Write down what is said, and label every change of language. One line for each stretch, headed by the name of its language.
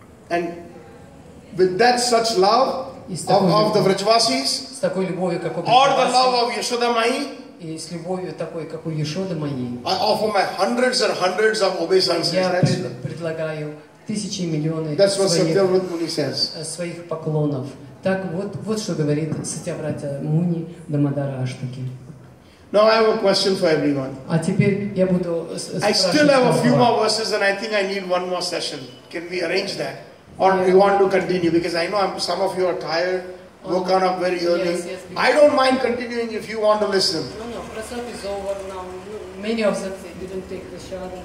English: And with that such love of the Vrajvasis, or the love of Yashoda Mahi,
Russian: и с любовью такой, как у Яшоды Мои,
English: I offer my hundreds and hundreds of obeisances.
Russian: Я предлагаю тысячи и миллионы своих поклонов. Так вот, вот что говорит Сатьявратя Муни Дамодара Аштаки.
English: Now I have a question for everyone.
Russian: А теперь я буду спрашивать.
English: I still have a few more verses and I think I need one more session. Can we arrange that? Or you want to continue? Because I know some of you are tired, woke up very early. Yes, I don't mind continuing if you want to listen. No, prasad is over now. Many of them didn't take prasad.